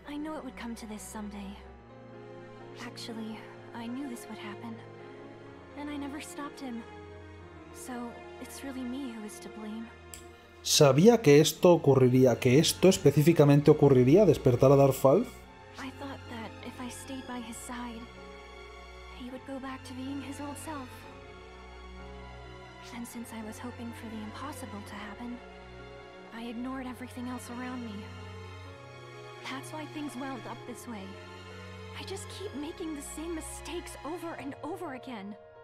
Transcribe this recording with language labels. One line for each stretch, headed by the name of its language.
English: I knew it would come to this someday. Actually, I knew this would happen. And I never stopped him. So, it's really me who is to blame.
Spanish: Sabía que esto ocurriría, que esto específicamente ocurriría, despertar a Darkfalz.
English: I thought that if I stayed by his side, he would go back to being his old self. And since I was hoping for the impossible to happen, I ignored everything else around me. That's why things welled up this way. I just keep making the same mistakes over and over again.